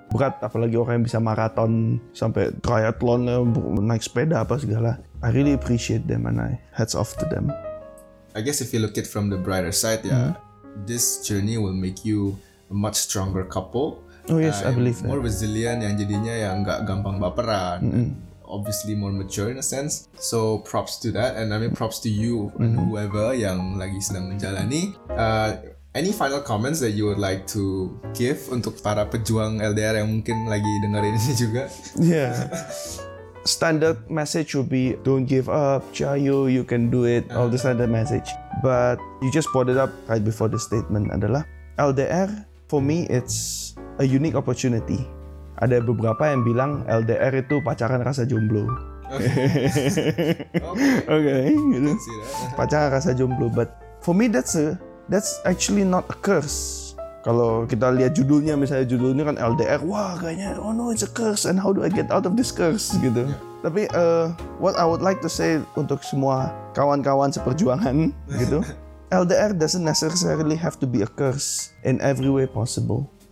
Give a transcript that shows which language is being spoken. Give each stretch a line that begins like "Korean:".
Indonesian: Berat, apalagi orang yang bisa maraton, sampai triathlon, naik sepeda, apa segala.
English: I really appreciate them, and I hats off to them. I guess if you look it from the brighter side, yeah, this journey will make you a much stronger couple. Oh yes, I believe more that. Resilient
Indonesian: yang jadinya yang enggak gampang baperan.
English: Obviously more mature in a sense. So props to that, and I mean props to you and whoever
Indonesian: yang lagi sedang menjalani.
English: Any final comments that you would like to give
Indonesian: untuk para pejuang LDR yang mungkin lagi dengerin ini juga?
English: Yeah. Standard message would be don't give up, jayo, you can do it. All the standard message. But you just brought it up right before the statement
Indonesian: adalah
English: LDR for me it's a unique opportunity.
Indonesian: Ada beberapa yang bilang LDR itu pacaran rasa jomblo.
English: Okay.
Indonesian: Gitu. Pacaran rasa jomblo,
English: but for me that's actually not a curse.
Indonesian: Kalau kita lihat judulnya, misalnya judulnya kan LDR, wah kayaknya
English: oh no it's a curse and how do I get out of this curse
Indonesian: gitu.
English: Yeah.
Indonesian: Tapi
English: what I would like to say
Indonesian: untuk semua kawan-kawan seperjuangan gitu,
English: LDR doesn't necessarily have to be a curse in every way possible.